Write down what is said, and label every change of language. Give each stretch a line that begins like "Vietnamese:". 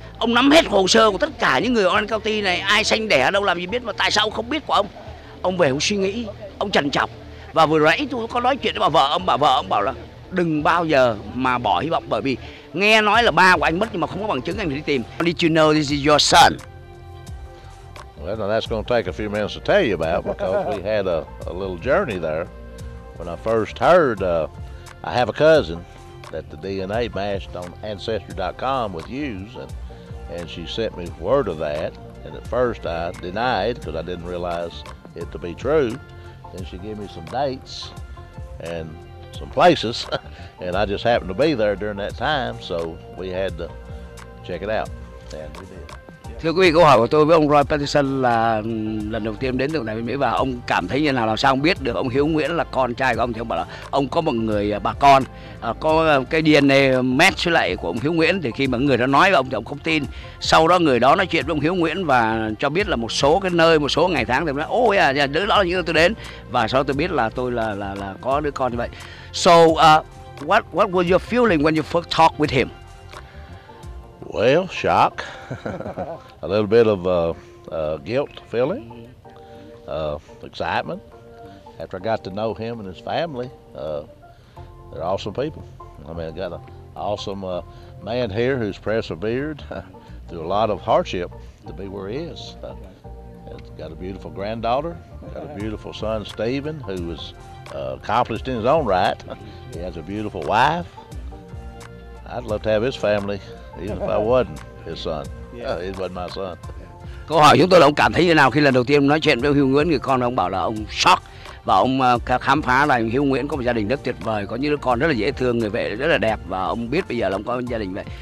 Vietnamese: Ông nắm hết hồ sơ của tất cả những người Orange County này, ai sanh đẻ đâu làm gì biết, mà tại sao ông không biết của ông? Ông về ông suy nghĩ, ông trằn trọc. Và vừa nãy tôi có nói chuyện với bà vợ ông, bà vợ ông bảo là đừng bao giờ mà bỏ hy vọng, bởi vì nghe nói là ba của anh mất nhưng mà không có bằng chứng, anh phải đi tìm.
English: Did you know this is your son? Well, that's going to take a few minutes to tell you about, because we had a little journey there. When I first heard, I have a cousin that the DNA matched on ancestry.com with yous, and she sent me word of that. And at first I denied because I didn't realize it to be true. Then she gave me some dates and some places, and I just happened to be there during that time, so we had to check it out, and we did.
Vietnamese: Thưa quý vị, câu hỏi của tôi với ông Roy Patterson là lần đầu tiên đến tượng đài Mỹ, và ông cảm thấy như nào, làm sao ông biết được ông Hiếu Nguyễn là con trai của ông? Thì ông bảo là ông có một người bà con có cái DNA match với lại của ông Hiếu Nguyễn, thì khi mà người đó nói với ông thì ông không tin. Sau đó người đó nói chuyện với ông Hiếu Nguyễn và cho biết là một số cái nơi, một số ngày tháng, thì ông nói: ôi à, đứa đó là những nơi tôi đến, và sau đó tôi biết là tôi là có đứa con như vậy.
English: So what was your feeling when you first talked with him? Well, shock, a little bit of guilt feeling, excitement. After I got to know him and his family, they're awesome people. I mean, I got an awesome man here who's persevered through a lot of hardship to be where he is. Got a beautiful granddaughter, got a beautiful son, Stephen, who was accomplished in his own right. He has a beautiful wife. I'd love to have his family. Even if I wasn't his son, yeah. He wasn't my son.
Vietnamese: Câu hỏi chúng tôi là ông cảm thấy như nào khi lần đầu tiên nói chuyện với Hiếu Nguyễn, người con, ông bảo là ông shock, và ông khám phá là Hiếu Nguyễn có một gia đình rất tuyệt vời, có những đứa con rất là dễ thương, người vợ rất là đẹp, và ông biết bây giờ là ông có gia đình vậy.